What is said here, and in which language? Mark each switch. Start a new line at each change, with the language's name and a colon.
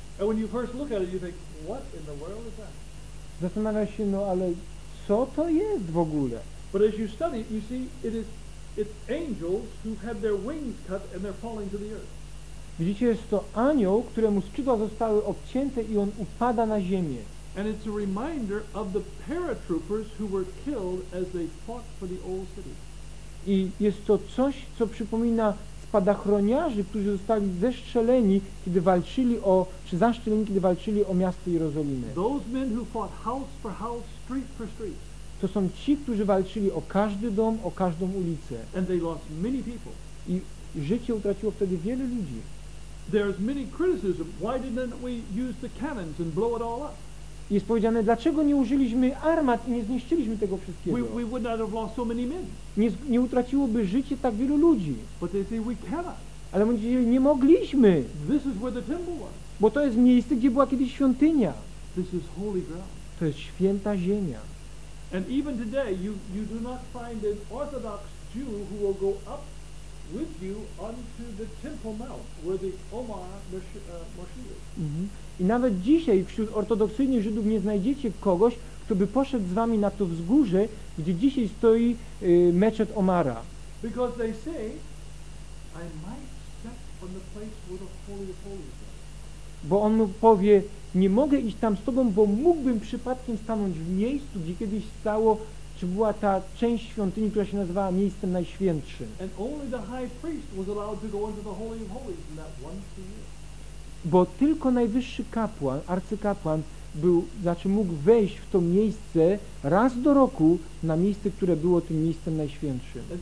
English: And when you first look at it, you think, what in the world is that?
Polish: Zastanawia się, no ale co to jest w ogóle?
English: But as you study it, you see it's angels who had their wings cut and they're falling to the earth.
Polish: Widzicie, jest to anioł, któremu skrzydła zostały obcięte i on upada na ziemię.
English: And it's a reminder of the paratroopers who were killed as they fought for the old city.
Polish: I jest to coś, co przypomina spadachroniarzy, którzy zostali zestrzeleni, kiedy walczyli o, czy zastrzeleni, kiedy walczyli o miasto Jerozolimy.
English: Those men who fought house for house, street for street.
Polish: To są ci, którzy walczyli o każdy dom, o każdą ulicę.
English: And they lost many people.
Polish: I życie utraciło wtedy wiele ludzi.
English: There's many criticism. Why didn't we use the cannons and blow it all up?
Polish: Jest powiedziane, dlaczego nie użyliśmy armat i nie zniszczyliśmy tego wszystkiego?
English: We would not have lost so many men.
Polish: Nie utraciłoby życie tak wielu ludzi.
English: But they say we cannot.
Polish: Ale oni mówili, nie mogliśmy.
English: This is where the temple was.
Polish: Bo to jest miejsce, gdzie była kiedyś świątynia.
English: This is holy ground.
Polish: To jest święta ziemia.
English: And even today you do not find an Orthodox Jew who will go up with you onto the Temple Mount where the Omar Mashiach is.
Polish: I nawet dzisiaj wśród ortodoksyjnych Żydów nie znajdziecie kogoś, kto by poszedł z wami na to wzgórze, gdzie dzisiaj stoi meczet Omara.
English: Because they say, I might step on the place where the Holy of Holies is.
Polish: Bo on mu powie, nie mogę iść tam z tobą, bo mógłbym przypadkiem stanąć w miejscu, gdzie kiedyś stało, czy była ta część świątyni, która się nazywała Miejscem Najświętszym.
English: And only the high priest was allowed to go into the Holy of Holies in that one year.
Polish: Bo tylko najwyższy kapłan, arcykapłan, był, znaczy mógł wejść w to miejsce raz do roku na miejsce, które było tym miejscem najświętszym.